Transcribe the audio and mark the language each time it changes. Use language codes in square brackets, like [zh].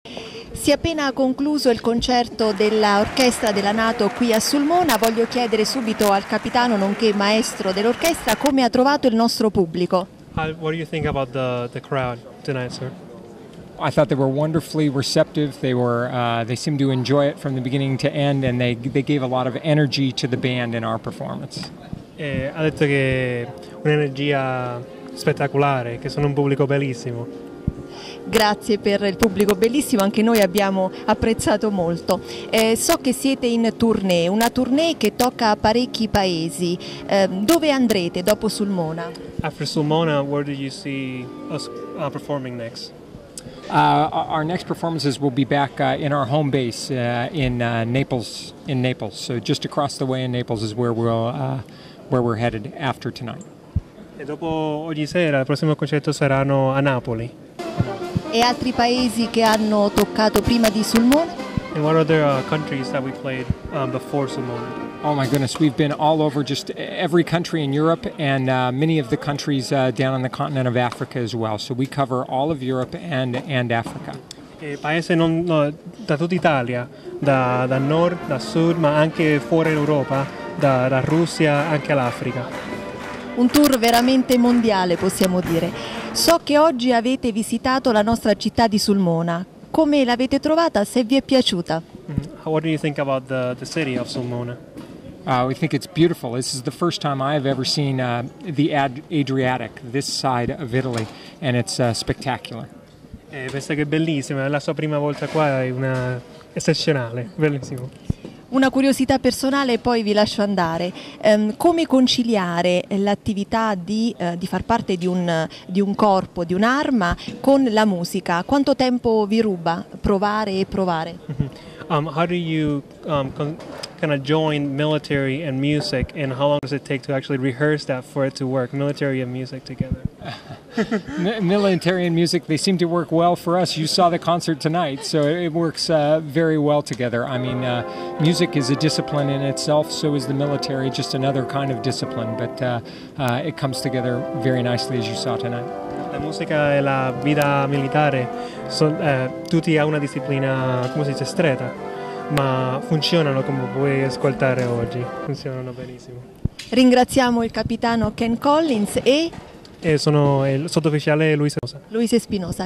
[it] Si è appena concluso il concerto dell'orchestra della NATO qui a Sulmona. Voglio chiedere subito al capitano, nonché maestro dell'orchestra, come ha trovato il nostro pubblico. [en] What do you think about the crowd tonight, sir? I thought they were wonderfully receptive. They seemed to enjoy it from the beginning to end, and they gave a lot of energy to the band in our performance. [it] Ha detto che un'energia spettacolare, che sono un pubblico bellissimo. Grazie per il pubblico bellissimo, anche noi abbiamo apprezzato molto. So che siete in tournée, una tournée che tocca a parecchi paesi. Dove andrete dopo Sulmona? [en] After Sulmona, where do you see us performing next? Our next performances will be back in our home base in Naples. So just across the way in Naples is where we're headed after tonight. [it] E dopo ogni sera il prossimo concerto saranno a Napoli. E altri paesi che hanno toccato prima di Sulmona? [en] And what other countries that we played before Sulmona? Oh my goodness, we've been all over just every country in Europe and many of the countries down on the continent of Africa as well. So we cover all of Europe and Africa. [it] E paese non da tutta Italia, da nord, da sud, ma anche fuori Europa, da Russia anche all'Africa. Un tour veramente mondiale, possiamo dire. So che oggi avete visitato la nostra città di Sulmona. Come l'avete trovata? Se vi è piaciuta? [en] What do you think about the city of Sulmona? We think it's beautiful. This is the first time I have ever seen the Adriatic, this side of Italy, and it's spectacular. [it] Penso che è bellissima. La sua prima volta qua è una eccezionale, bellissimo. Una curiosità personale e poi vi lascio andare. Come conciliare l'attività di far parte di un corpo, di un'arma, con la musica? Quanto tempo vi ruba provare e provare? [en] How do you kind of join military and music, and how long does it take to actually rehearse that for it to work, military and music together? Military and music, they seem to work well for us. You saw the concert tonight, so it works very well together. I mean, music is a discipline in itself, so is the military, just another kind of discipline, but it comes together very nicely, as you saw tonight. [it] La musica e la vita militare sono tutti a una disciplina, come si dice, stretta, ma funzionano, come puoi ascoltare oggi, funzionano benissimo. Ringraziamo il capitano Ken Collins e sono il sottufficiale Luis Espinosa.